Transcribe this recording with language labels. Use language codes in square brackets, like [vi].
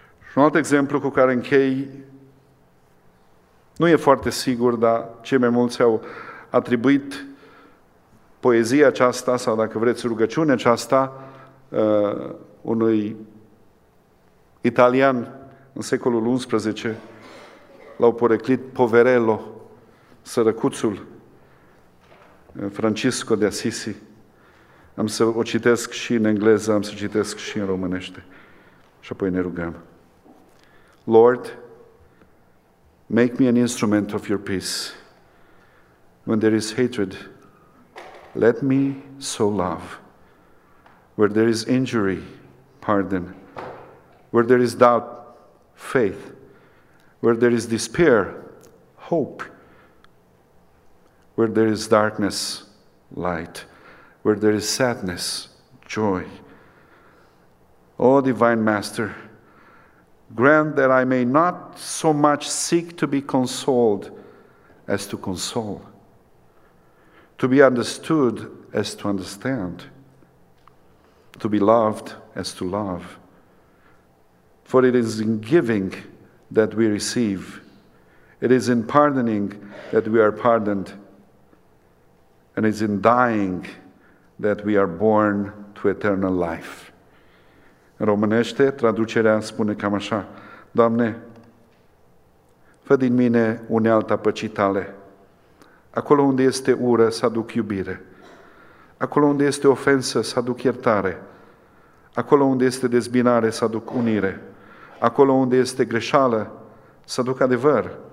[ro] Și un alt exemplu cu care închei, nu e foarte sigur, dar cei mai mulți au atribuit poezia aceasta, sau dacă vreți rugăciunea aceasta, unui italian în secolul XI, l-au poreclit Poverello, sărăcuțul Francisco de Assisi. Am să o citesc și în engleză, am să citesc și în românește. Și apoi ne rugăm. [en] Lord, make me an instrument of your peace. When there is hatred, let me sow love. Where there is injury, pardon. Where there is doubt, faith. Where there is despair, hope. Where there is darkness, light. Where there is sadness, joy. O Divine Master, grant that I may not so much seek to be consoled as to console, to be understood as to understand, to be loved as to love. For it is in giving that we receive. It is in pardoning that we are pardoned. And it is in dying that we are born to eternal life. [ro] În românește, traducerea spune cam așa. Doamne, fă din mine unealta păcii Tale. Acolo unde este ură, să aduc iubire. Acolo unde este ofensă, să aduc iertare. Acolo unde este dezbinare, să aduc unire. Acolo unde este greșeală, să aduc adevăr.